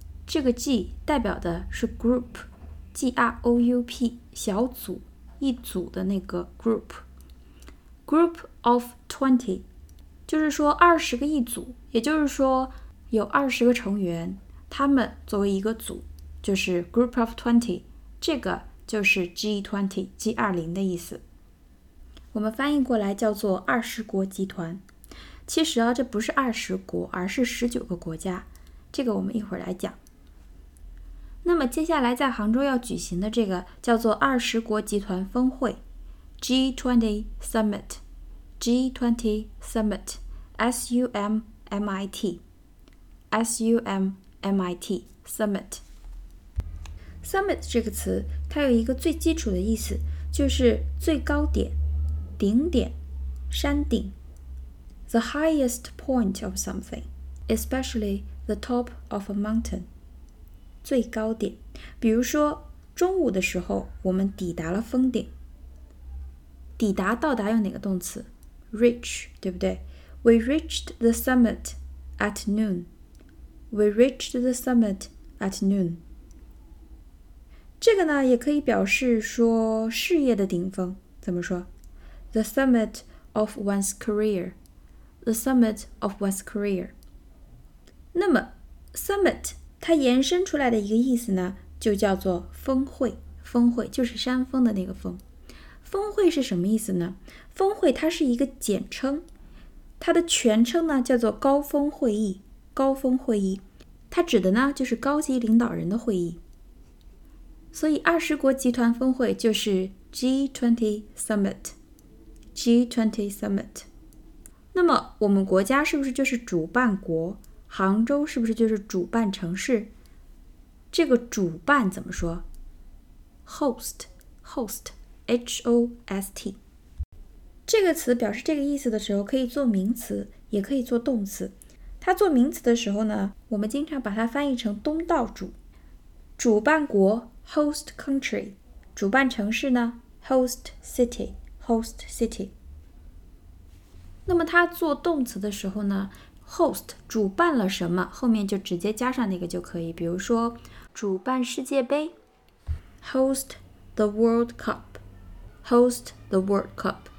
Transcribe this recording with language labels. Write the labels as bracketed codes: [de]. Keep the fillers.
[zh] 这个 G 代表的是 group，G R O U P 小组一组的那个 group，group group of twenty，就是说二十个一组，也就是说有二十个成员，他们作为一个组，就是 group of twenty，这个就是 G twenty，G 二零的意思。我们翻译过来叫做二十国集团。其实啊，这不是二十国，而是十九个国家，这个我们一会儿来讲。那么接下来在杭州要举行的这个叫做二十国集团峰会，G20 Summit，G20 Summit，S U M M I T，S U M M I T Summit。 Summit 这个词，它有一个最基础的意思，就是最高点、顶点、山顶。 [en] The highest point of something, especially the top of a mountain. [zh] 最高点，比如说中午的时候，我们抵达了峰顶。抵达到达用哪个动词？reach，对不对？ [en] We reached the summit at noon. We reached the summit at noon. [zh] 这个呢，也可以表示说事业的顶峰，怎么说？ [en] The summit of one's career. The summit of one's career. [zh] 那么，summit。它延伸出来的一个意思呢，就叫做峰会。峰会就是山峰的那个峰。峰会是什么意思呢？峰会它是一个简称，它的全称呢叫做高峰会议。高峰会议，它指的呢就是高级领导人的会议。所以二十国集团峰会就是 G20 Summit，G20 Summit。那么我们国家是不是就是主办国？杭州是不是就是主办城市？这个主办怎么说？Host, host, h-o-s-t。这个词表示这个意思的时候，可以做名词，也可以做动词。它做名词的时候呢，我们经常把它翻译成东道主、主办国 （host country）。主办城市呢， [en] host city, host city。 [zh] 那么它做动词的时候呢？host 主办了什么，后面就直接加上那个就可以。比如说，主办世界杯， [en] host the World Cup，host the World Cup。